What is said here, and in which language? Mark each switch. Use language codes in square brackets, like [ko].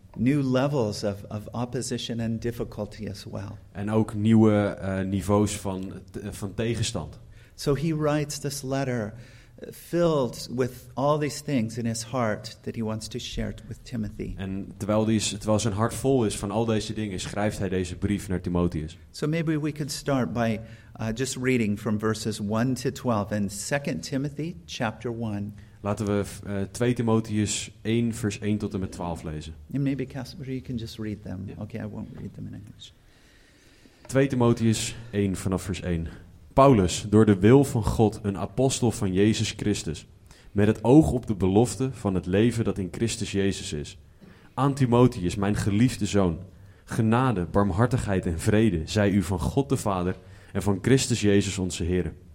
[en] new levels of opposition and difficulty as well. [nl] En ook nieuwe niveaus van tegenstand. [en] So he writes this letter filled with all these things in his heart that he wants to share with Timothy. [nl] En terwijl zijn hart vol is van al deze dingen, schrijft hij deze brief naar Timotheus. [en] So maybe we could start by just reading from verses 1 to 12 in 2 Timothy chapter 1. [nl] Laten we 2 Timotheus 1 vers 1 tot en met 12 lezen. [en] And maybe Casper, you can just read them. Yeah. Okay, I won't read them in English. [nl] 2 Timotheus 1 vanaf vers 1. Paulus, door de wil van God, een apostel van Jezus Christus, met het oog op de belofte van het leven dat in Christus Jezus is. Aan Timotheus, mijn geliefde zoon, genade, barmhartigheid en vrede zij u van God de Vader en van Christus Jezus onze Heer.